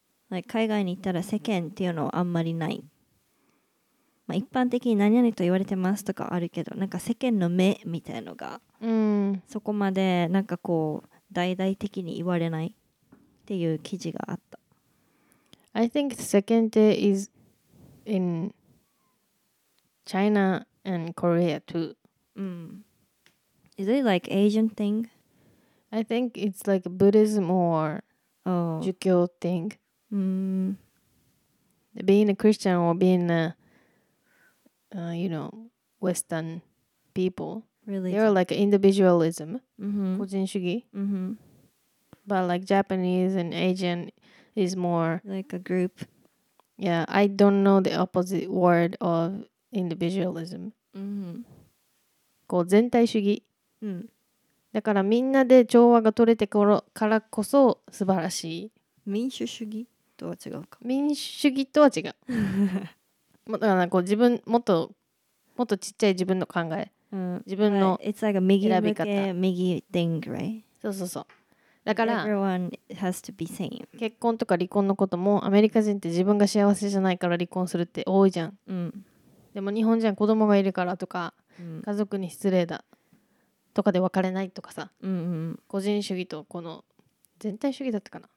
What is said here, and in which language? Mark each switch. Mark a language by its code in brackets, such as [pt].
[ja] Like, 海外に行ったら世間っていうのはあんまりない。まあ、一般的に何々と言われてますとかあるけどなんか世間の目みたいのが、うん、そこまでなんかこう大々的に言われないっていう記事があった [en] I think the second day is in China and Korea too、うん、Is it like Asian thing? I think it's like Buddhism or 儒教 thing、 oh. Being a Christian or being ayou know, Western people. Really? They are like individualism. Mm-hmm. [ja] 個人主義 Mm-hmm. [en] But like Japanese and Asian is more... Like a group. Yeah, I don't know the opposite word of individualism. Mm-hmm. [ja] こう全体主義。うん。だからみんなで調和が取れてからこそ素晴らしい。民主主義とは違うか。民主主義とは違う。だからなんかこう自分もっともっとちっちゃい自分の考え、うん、自分の選び方、 [en] It's like a 右向け、右 thing, right? [ja] そうそうそう。だから [en] Everyone has to be same. [ja] 結婚とか離婚のこともアメリカ人って自分が幸せじゃないから離婚するって多いじゃん、うん、でも日本人は子供がいるからとか、うん、家族に失礼だとかで別れないとかさ、うんうん、個人主義とこの全体主義だったかな、